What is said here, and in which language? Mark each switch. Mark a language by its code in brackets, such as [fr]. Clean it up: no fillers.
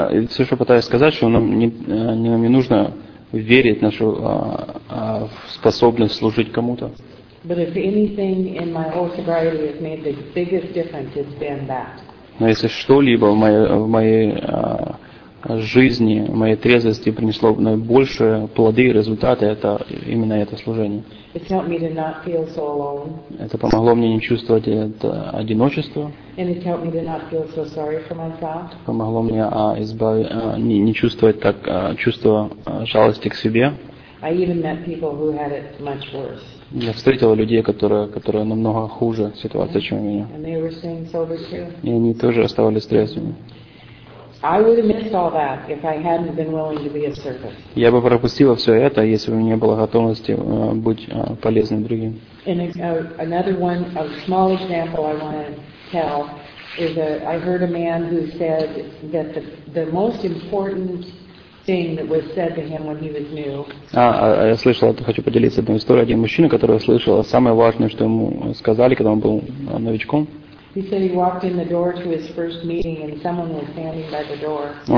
[ru] Все, что пытаюсь сказать, что нам не нужно верить в нашу способность служить кому-то. [en] But if anything in my whole sobriety has made the biggest difference, it's been that. [ru] Но если что-либо в моей жизни, в моей трезвости принесло наибольшие плоды и результаты, это именно это служение. [en] It's helped me to not feel so alone. [ru] Это помогло мне не чувствовать это одиночество. [en] And it's helped me to not feel so sorry for myself. [ru] Помогло мне не чувствовать так чувство жалости к себе. [en] I even met people who had it much worse. [ru] Я встретила людей, которые намного хуже ситуация, чем у меня. [en] And they were staying sober too. [ru] И они тоже оставались трезвыми. [en] I would have missed all that if I hadn't been willing to be of service. [ru] Я бы пропустила все это, если бы не было готовности быть полезным другим. [en] And another one, a small example I want to tell is that I heard a man who said that the most important thing that was said to him when he was new. [ru] Я слышала, хочу поделиться одной историей. Один мужчина, который слышал самое важное, что ему сказали, когда он был новичком. [en] He said he walked in the door to his first meeting and someone was standing by the door.